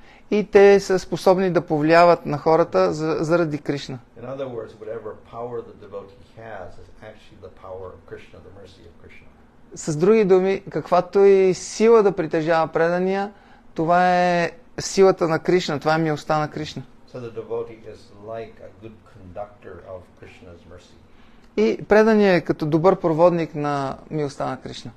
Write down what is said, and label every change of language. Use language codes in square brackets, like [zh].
[bg] И те са способни да повлияват на хората заради Кришна. [en] In other words, whatever power the devotee has is actually the power of Krishna, the mercy of Krishna. [bg] С други думи, каквато и сила да притежава предания, това е силата на Кришна, това е милостта на Кришна. [en] So the devotee is like a good conductor of Krishna's mercy. [bg] И предание е като добър проводник на милостта на Кришна.